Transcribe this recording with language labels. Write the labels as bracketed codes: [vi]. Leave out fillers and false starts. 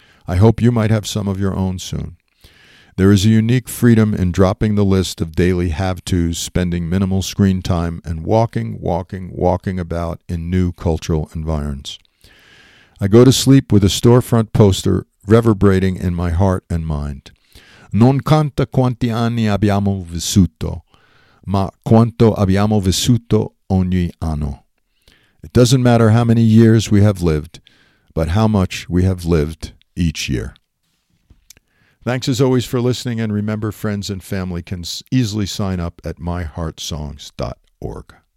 [en] I hope you might have some of your own soon. There is a unique freedom in dropping the list of daily have-tos, spending minimal screen time, and walking about in new cultural environs. I go to sleep with a storefront poster reverberating in my heart and mind. [it] Non conta quanti anni abbiamo vissuto, ma quanto abbiamo vissuto ogni anno. [en] It doesn't matter how many years we have lived, but how much we have lived each year. Thanks as always for listening, and remember, friends and family can easily sign up at myheartsongs.org.